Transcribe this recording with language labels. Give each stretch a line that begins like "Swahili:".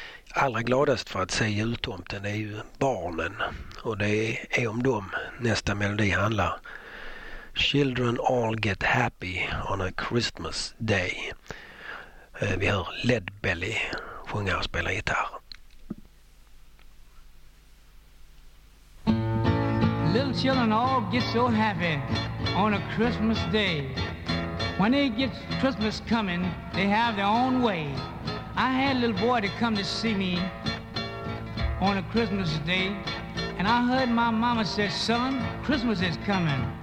Swedish: Allra gladast för att se jultomten är ju barnen. Och det är om dem nästa melodi handlar.
English: Children all get happy on a Christmas day.
Swedish: Vi hör Led Belly sjunga och spela gitarr.
English: Little children all get so happy on a Christmas day. When they get Christmas coming, they have their own way. I had a little boy to come to see me on a Christmas day, and I heard my mama say, son, Christmas is coming.